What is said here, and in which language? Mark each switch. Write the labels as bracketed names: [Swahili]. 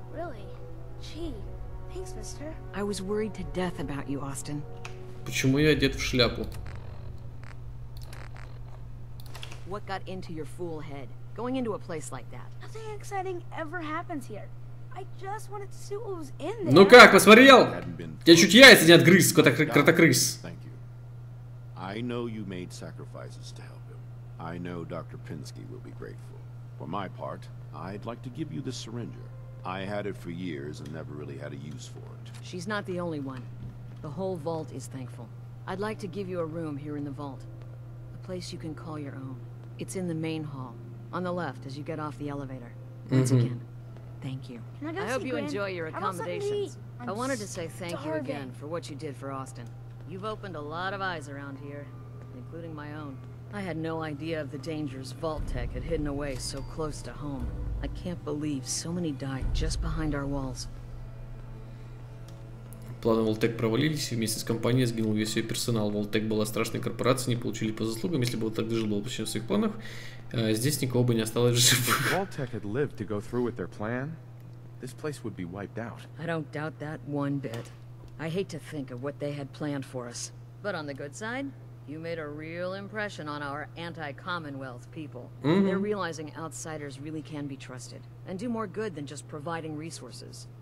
[English] Really? Gee, thanks, mister. I was worried to death about you, Austin. [Russian] Почему я одет в шляпу? [English] What got into your fool head? Going into a place like that. Nothing exciting ever happens here. I just wanted to see what was in there. [Russian] Ну как, посмотрел? Я чуть яйца не отгрыз, кротокрыс. [English] Thank you. I know you made sacrifices to help him. I know Dr. Pinsky will be grateful. For my part, I'd like to give you the syringe. I had it for years and never really had a use for it. She's not the only one. The whole vault is thankful. I'd like to give you a room here in the vault. A place you can call your own. It's in the main hall, on the left as you get off the elevator. Once again, thank you. I hope you enjoy your accommodations. I wanted to say thank you again for what you did for Austin. You've opened a lot of eyes around here, including my own. I had no idea of the dangers Vault Tech had hidden away so close to home. I can't believe so many died just behind our walls. [Russian] Планы Волтек провалились, и вместе с компанией сгинул весь ее персонал. Волтек была страшной корпорацией, не получили по заслугам. Если бы Волтек жил, был бы в своих планах, здесь никого бы не осталось живых. [English] Волтек had lived to go through with their plan, this place would be wiped out. I don't doubt that one bit. I hate to think of what they had planned for us. But on the good side, you made a real impression on our anti-commonwealth people. Mm-hmm. They're realizing outsiders really can be trusted and do more good than just providing resources.